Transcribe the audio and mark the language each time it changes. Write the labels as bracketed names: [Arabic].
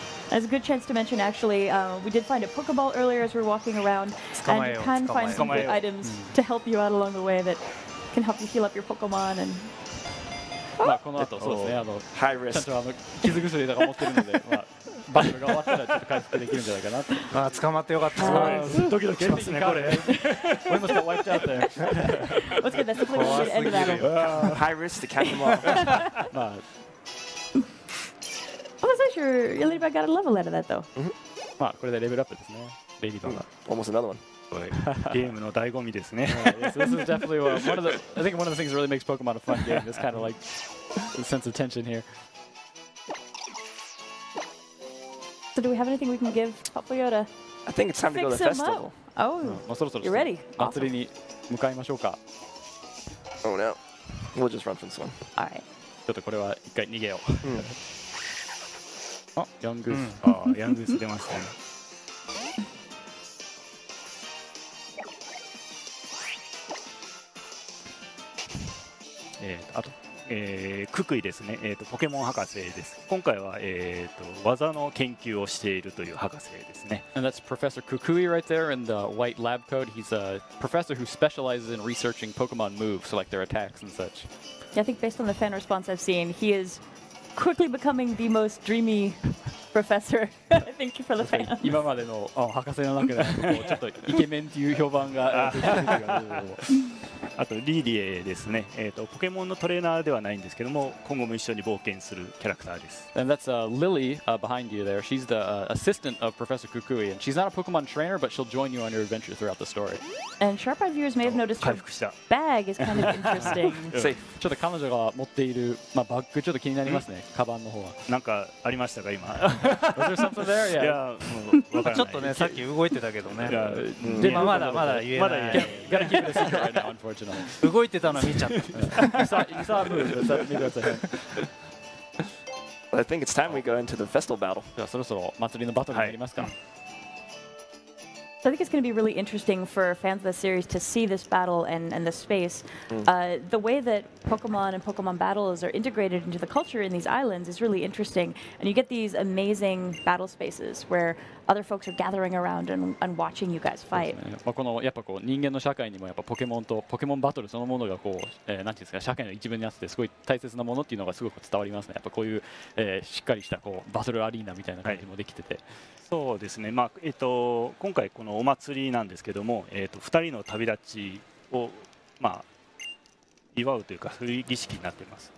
[English] That's a good chance to mention, actually, we did find a Pokeball earlier as we were walking around, and you can find some good items to help you out along the way that can help you heal up your Pokemon. And... [Japanese] まあ、この後、そうですね、 [English] High risk. [Japanese] ちゃんと傷薬とか持ってるので、バトルが終わったらちょっと回復できるんじゃないかなと。捕まってよかった。捕まってよかった。ドキドキしますね、これ。俺もちょっと終わっちゃったよ。 [English] What's good, that's the point. High risk to catch them all. まあ Oh, I'm not sure your ladybug got a level out of that, though. Mm-hmm. [Japanese] まあ、これでレベルアップですね。レディバグ。 [English] Almost another one. [Japanese] ゲームの醍醐味ですね。 [English] This is definitely one of the... I think one of the things that really makes Pokemon a fun game. This kind of like... the sense of tension here. So do we have anything we can give Popoyo to... I think it's time to go to the festival. Oh, you're ready. [Japanese] 祭りに向かいましょうか。 [English] Oh, no. We'll just run from this one. All right. [Japanese] ちょっとこれは一回逃げよう。あ、ヤングース、うん、あヤングース出ましたね。あと、ククイですね、ポケモン博士です。今回は、技の研究をしているという博士ですね。 [English] And that's Professor Kukui right there in the white lab coat. He's a professor who specializes in researching Pokemon moves, so like their attacks and such. Yeah, I think based on the fan response I've seen, he isquickly becoming the most dreamy professor. Thank you for the fan. [Japanese] 今までの博士の中でちょっとイケメンという評判が。あとリーディエですね。ポケモンのトレーナーではないんですけども、今後も一緒に冒険するキャラクターです。 [English] And that's Lily behind you there. She's the assistant of Professor Kukui, and she's not a Pokemon trainer, but she'll join you on your adventure throughout the story. And sharp eyed viewers may have noticed her bag is kind of interesting. [Japanese] ちょっと彼女が持っている、まあ、バッグちょっと気になりますね。カバンの方は。なんかありましたか今。 [English] Was there something there? Yeah. [Japanese] ちょっとね、さっき動いてたけどね。でもまだ言えない。まだ言えない。 [English] Gotta keep it a secret right now, unfortunately. [Japanese] 動いてたの見ちゃった。 [English] You saw a move. [Japanese] 見てください。 [English] Well, I think it's time we go into the festival battle. [Japanese] じゃあそろそろ祭りのバトルに入りますか。 [English] So I think it's going to be really interesting for fans of the series to see this battle and the space. The way that Pokemon and Pokemon battles are integrated into the culture in these islands is really interesting. And you get these amazing battle spaces where other folks are gathering around and watching you guys fight. [Japanese] まあこのやっぱこう人間の社会にもやっぱポケモンとポケモンバトルそのものがこう、なんていうんですか、社会の一部にあってすごい大切なものっていうのがすごく伝わりますね。やっぱこういう、しっかりしたこうバトルアリーナみたいな感じもできてて。はいそうですね、まあ今回このお祭りなんですけども、2人の旅立ちを、まあ、祝うというかそういう儀式になっています。